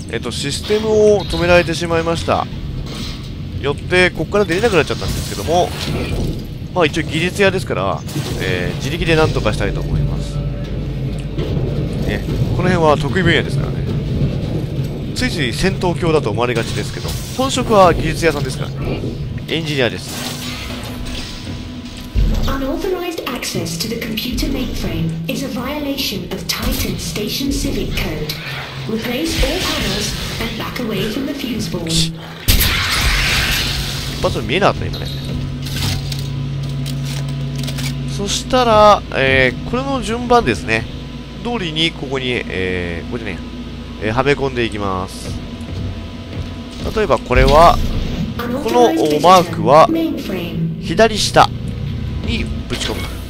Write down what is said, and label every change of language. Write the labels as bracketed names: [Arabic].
[Japanese] システムを止められてしまいました。よってここから出れなくなっちゃったんですけども、まあ一応技術屋ですから、自力で何とかしたいと思います。ね、この辺は得意分野ですからね。ついつい戦闘狂だと思われがちですけど、本職は技術屋さんですから、ね、エンジニアです。 [English] Unauthorized access to the computer mainframe is a violation of Titan Station Civic Code. Replace all panels and back away from the fuse board. [Japanese] 一発目見えなかった今ね。そしたら、これの順番ですね。通りにここに、ここでね、はめ込んでいきます。例えばこれは、このマークは左下。にぶち込む。